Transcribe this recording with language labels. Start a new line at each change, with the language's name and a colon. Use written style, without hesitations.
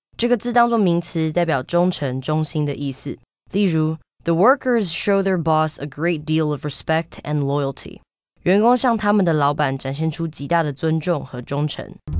Chinese: 这个字当作名词代表忠诚、忠心的意思。例如
English: ,the workers show their boss a great deal of respect and loyalty.
Chinese: 员工向他们的老板展现出极大的尊重和忠诚。